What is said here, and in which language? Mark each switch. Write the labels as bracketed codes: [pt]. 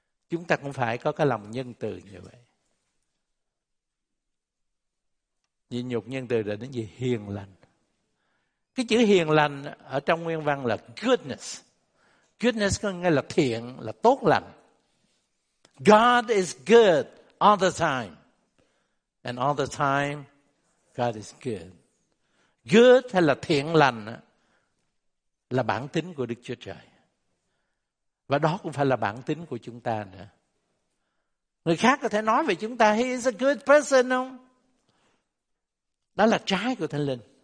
[vi] Chúng ta cũng phải có cái lòng nhân từ như vậy. Nhịn nhục nhân từ là đến gì? Hiền lành. Cái chữ hiền lành ở trong nguyên văn là goodness. Goodness có nghĩa là thiện, là tốt lành. [en] God is good all the time. And all the time, God is good. [vi] Good hay là thiện lành là bản tính của Đức Chúa Trời. Và đó cũng phải là bản tính của chúng ta nữa. Người khác có thể nói về chúng ta, [en] he is a good person [vi] không? Đó là trái của Thánh Linh.